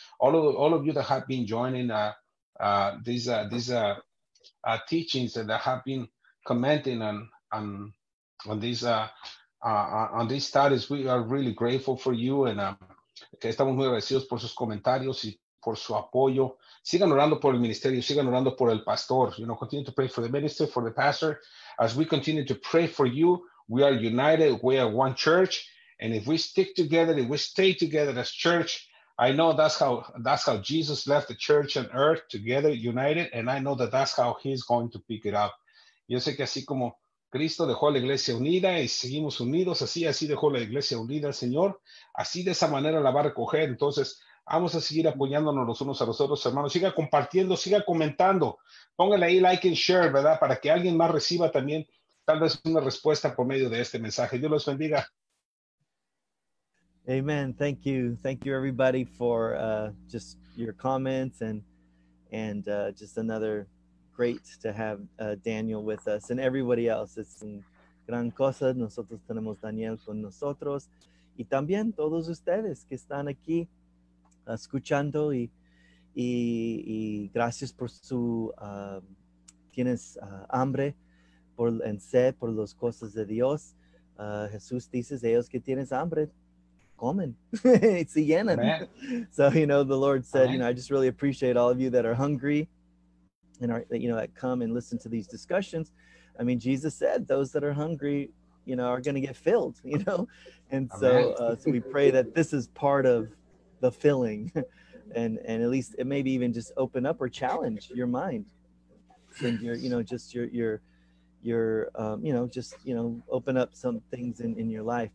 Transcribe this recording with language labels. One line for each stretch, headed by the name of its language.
English: All of you that have been joining these teachings and that have been commenting on these studies, we are really grateful for you and
Spanish: que estamos muy agradecidos por sus comentarios y por su apoyo. Sigan orando por el ministerio, sigan orando por el pastor.
English: You know, continue to pray for the minister, for the pastor. As we continue to pray for you, we are united, we are one church, and if we stick together, if we stay together as church, I know that's how Jesus left the church on earth, together, united, and I know that that's how he's going to pick it up.
Spanish: Yo sé que así como Cristo dejó a la iglesia unida y seguimos unidos, así dejó la iglesia unida al Señor, así de esa manera la va a recoger. Entonces, vamos a seguir apoyándonos los unos a los otros, hermanos. Siga compartiendo, siga comentando. Póngale ahí
English: like and share,
Spanish: ¿verdad? Para que alguien más reciba también tal vez una respuesta por medio de este mensaje. Dios los bendiga.
English: Amen. Thank you. Thank you, everybody, for just your comments and just another great to have Daniel with us and everybody else. It's a
Spanish: gran cosa. Nosotros tenemos Daniel con nosotros. Y también todos ustedes que están aquí escuchando y gracias por su tienes hambre por en sed por las cosas de Dios. Jesús dice, ellos que tienes hambre comen, se llenan.
English: So, you know, the Lord said, Amen. You know, I just really appreciate all of you that are hungry and are, you know, that come and listen to these discussions. I mean, Jesus said those that are hungry, you know, are going to get filled, you know, and Amen. so we pray that this is part of the filling, and at least it maybe even just open up or challenge your mind and your open up some things in your life.